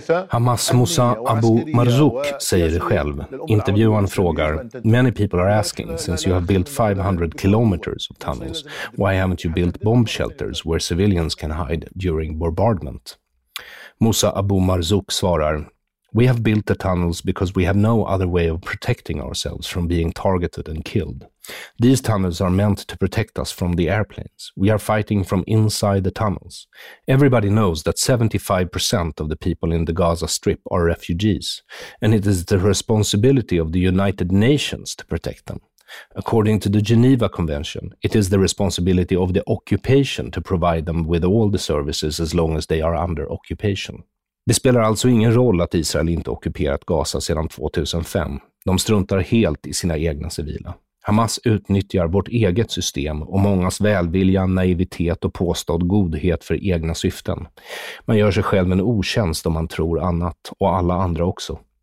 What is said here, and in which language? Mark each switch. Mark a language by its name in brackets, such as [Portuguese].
[Swedish] Hamas Musa Abu Marzouk säger det själv. Intervjuaren frågar: [English] Many people are asking, since you have built 500 kilometers of tunnels, why haven't you built bomb shelters where civilians can hide during bombardment? Musa Abu Marzouk [Swedish] svarar: [English] We have built the tunnels because we have no other way of protecting ourselves from being targeted and killed. These tunnels are meant to protect us from the airplanes. We are fighting from inside the tunnels. Everybody knows that 75% of the people in the Gaza Strip are refugees, and it is the responsibility of the United Nations to protect them. According to the Geneva Convention, it is the responsibility of the occupation to provide them with all the services as long as they are under occupation. [Swedish] Det spelar alltså ingen roll att Israel inte ockuperat Gaza sedan 2005. De struntar helt i sina egna civila. Hamas utnyttjar vårt eget system och mångas välvilja, naivitet och påstådd godhet för egna syften. Man gör sig själv en otjänst om man tror annat, och alla andra också.